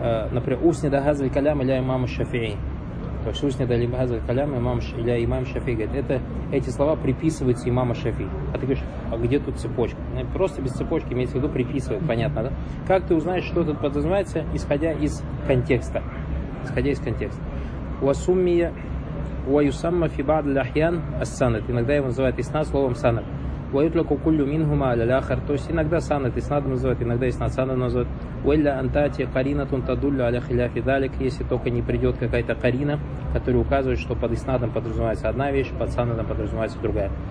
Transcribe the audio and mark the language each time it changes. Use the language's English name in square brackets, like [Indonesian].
[Russian] Например, усни да газаль калям иля имам шафии. То есть усни да газаль калям иля имам шафии. Говорит, эти слова приписываются имама шафии. А ты говоришь, а где тут цепочка? Просто без цепочки, имеется в виду, приписывает, понятно, да? Как ты узнаешь, что тут подразумевается, исходя из контекста? Исходя из контекста. [Arabic] Уасуммия وَيُسَمَّ فِي بَعْضِ الْأَحْيَانِ السند. [Russian] Иногда его называют иснад словом санад. [Arabic] وَيُطْلَقُ كُلُّ مِنْهُمَا عَلَى الْآخَرِ. [Russian] То есть иногда санад иснад называют, иногда иснад санад называют. [Arabic] وَإِلَّا أَنْ تَأْتِيَ قَرِينَةٌ تَدُلُّ عَلَى خِلَافِ ذَلِكَ. [Russian] Если только не придет какая-то карина, которая указывает, что под иснадом подразумевается одна вещь, под санадом подразумевается другая.